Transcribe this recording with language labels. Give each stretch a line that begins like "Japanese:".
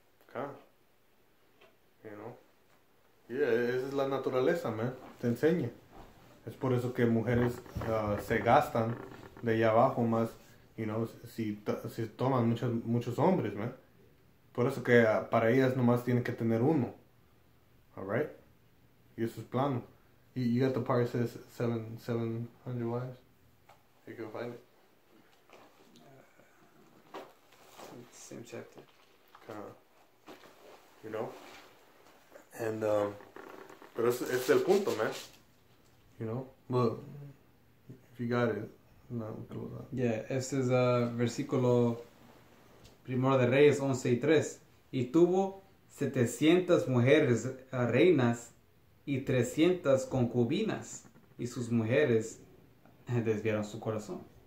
Spanish: Claro.
English: You know? Yeah,
Spanish: esa es la naturaleza, man. Te enseña. Es por eso que mujeres se gastan de allá abajo más,
English: you know,
Spanish: si toman muchos hombres, man. Por eso que para ellas nomás tienen que tener uno.
English: All right?
Spanish: Y eso es plano.
English: You got the part that says 700 wives? You can find it. Same chapter. You know?
Spanish: And, pero es el punto, man.
English: You know? Well, if you got it, no, we'll close that.
Spanish: Yeah, este es versículo Primero de Reyes 11 y 3. Y tuvo 700 mujeres reinas y 300 concubinas, y sus mujeres desviaron su corazón.